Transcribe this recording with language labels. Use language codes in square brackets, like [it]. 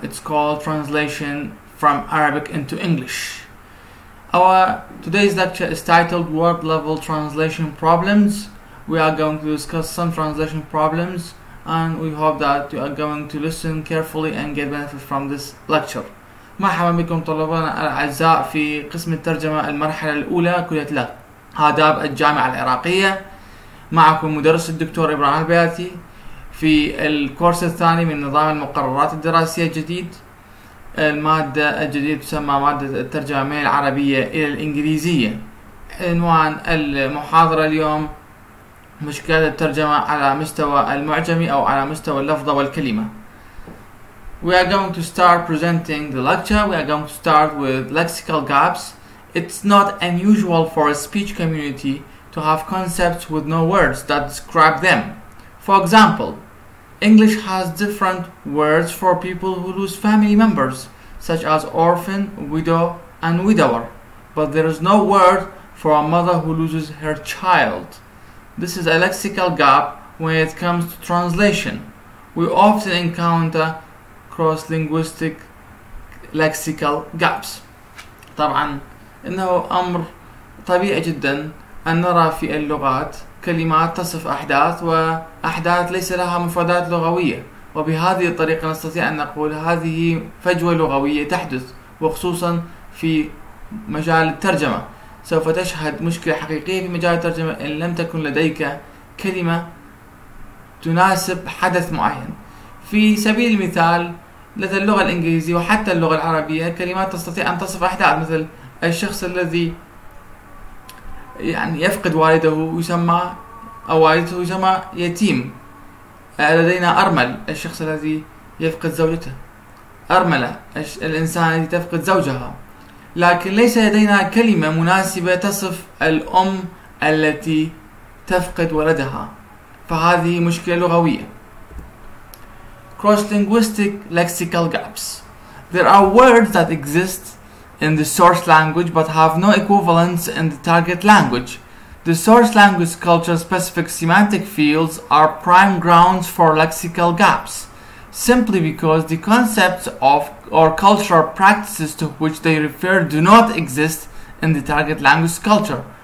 [en] It's called Translation from Arabic into English. Our today's lecture is titled Word Level Translation Problems. We are going to discuss some translation problems, and we hope that you are going to listen carefully and get benefit from this lecture. [ar] مرحبا بكم طلابنا الاعزاء في قسم الترجمه المرحله الاولى كليه لغة آداب الجامعه العراقيه. معكم مدرس الدكتور ابراهيم البياتي في الكورس الثاني من نظام المقررات الدراسيه الجديد. الماده الجديده تسمى ماده الترجمه من العربيه الى الانجليزيه. عنوان المحاضره اليوم مشكلة الترجمة على مستوى المعجمي أو على مستوى اللفظة والكلمة. [en] We are going to start presenting the lecture. We are going to start with lexical gaps. It's not unusual for a speech community to have concepts with no words that describe them. For example, English has different words for people who lose family members, such as orphan, widow, and widower. But there is no word for a mother who loses her child. This is a lexical gap when it comes to translation. We often encounter cross-linguistic lexical gaps. [ar] طبعا انه امر طبيعي جدا ان نرى في اللغات كلمات تصف احداث واحداث ليس لها مفردات لغوية. وبهذه الطريقة نستطيع ان نقول هذه فجوة لغوية تحدث وخصوصا في مجال الترجمة. سوف تشهد مشكلة حقيقية في مجال الترجمة إن لم تكن لديك كلمة تناسب حدث معين. في سبيل المثال لدى اللغة الإنجليزية وحتى اللغة العربية كلمات تستطيع أن تصف أحداث مثل الشخص الذي يعني يفقد والده يسمى أو والدته يسمى يتيم. لدينا أرمل الشخص الذي يفقد زوجته. أرملة الإنسان الذي تفقد زوجها. لكن ليس لدينا كلمة مناسبة تصف الأم التي تفقد ولدها فهذه مشكلة لغوية. [en] Cross-linguistic lexical gaps. There are words that exist in the source language but have no equivalents in the target language. The source language culture specific semantic fields are prime grounds for lexical gaps. Simply because the concepts of or cultural practices to which they refer do not exist in the target language culture.